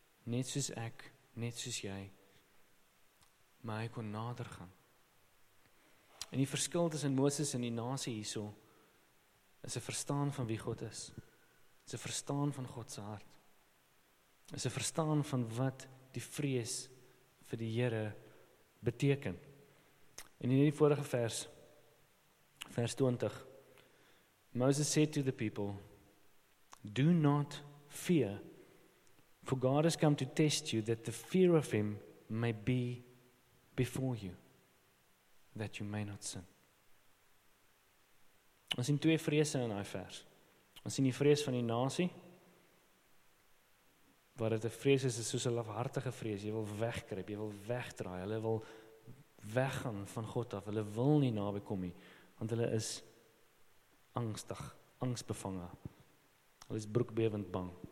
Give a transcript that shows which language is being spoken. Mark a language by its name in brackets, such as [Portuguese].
[Afrikaans] net soos ek, net soos jy, maar hy kon nader gaan. En die verskil tussen Moses en die nasie hierso, is 'n verstaan van wie God is, is 'n verstaan van God se hart, is 'n verstaan van wat die vrees vir die Here beteken. En in die vorige vers, vers 20, [English] Moses said to the people, do not fear, for God has come to test you, that the fear of him may be before you, that you may not sin. [Afrikaans] Ons sien twee vrese in die vers. Ons sien die vrees van die nasie, waar dit 'n vrees is, is soos 'n lafhartige vrees, jy wil wegkruip, jy wil wegdraai, hulle wil weggaan van God af, hulle wil nie naby kom nie, want hulle is angstig, angsbevange, hulle is broekbewend bang.